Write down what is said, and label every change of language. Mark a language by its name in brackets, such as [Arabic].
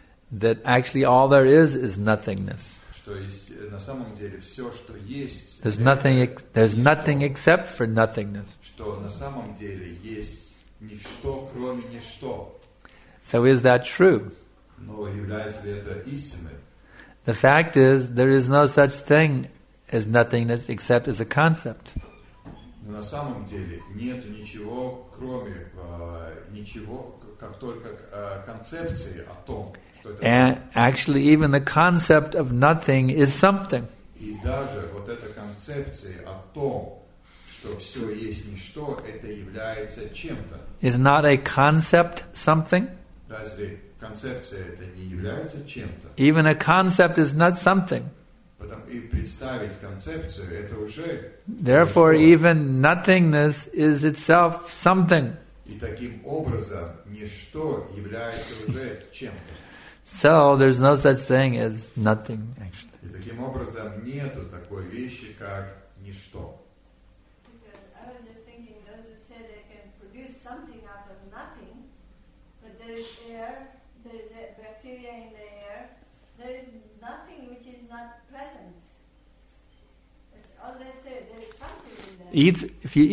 [English] That actually all there is nothingness. [Russian] На самом деле все, что есть, [English] there's nothing except for nothingness. [Russian] Что на самом деле есть ничто, кроме ничто. [English] So is that true? [Russian] Но является ли это истиной? [English] The fact is, there is no such thing as nothingness except as a concept. [Russian] Но на самом деле нет ничего, кроме ничего, как только концепции о том. [English] And actually, even the concept of nothing is something. [Russian] И даже вот эта концепция о том, что все есть ничто, это является чем-то. [English] Is not a concept something? [Russian] Разве концепция это не является чем-то? [English] Even a concept is not something. [Russian] И представить концепцию это уже. [English] Therefore, even nothingness is itself something. [Russian] И таким образом ничто является уже чем-то. [English] So there's no such thing as nothing, actually. [Russian] И таким образом нету такой вещи, как ничто. [English] Because I was just thinking, those who say they can produce something out of nothing, but there is air, there is bacteria in the air, there is nothing which is not present. That's all they say, there is something in there.